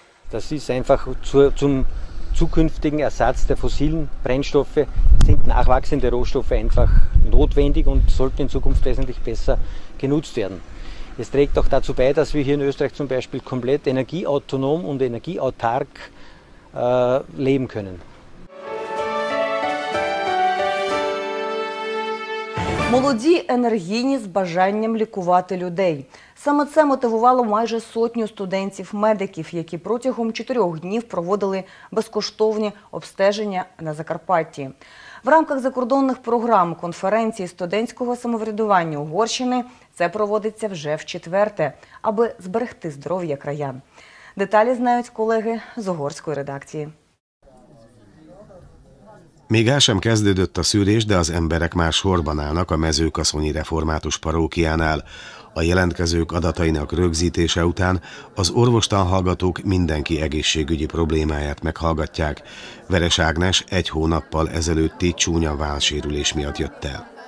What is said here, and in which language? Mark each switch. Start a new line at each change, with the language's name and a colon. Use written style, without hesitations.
German: Das ist einfach zum zukünftigen Ersatz der fossilen Brennstoffe, sind nachwachsende Rohstoffe einfach notwendig und sollten in Zukunft wesentlich besser genutzt werden. Es trägt auch dazu bei, dass wir hier in Österreich zum Beispiel komplett energieautonom und energieautark leben können.
Ukrainian: Молоді, енергійні, з бажанням лікувати людей. Саме це мотивувало майже сотню студентів-медиків, які протягом 4 днів проводили безкоштовні обстеження на Закарпатті. В рамках закордонних програм конференції студентського самоврядування Угорщини це проводиться вже вчетверте, аби зберегти здоров'я краян. Деталі знають колеги з угорської редакції.
Hungarian: Még el sem kezdődött a szűrés, de az emberek már sorban állnak a mezőkaszonyi református parókiánál. A jelentkezők adatainak rögzítése után az orvostanhallgatók mindenki egészségügyi problémáját meghallgatják. Veres Ágnes 1 hónappal ezelőtti csúnya válsérülés miatt jött el.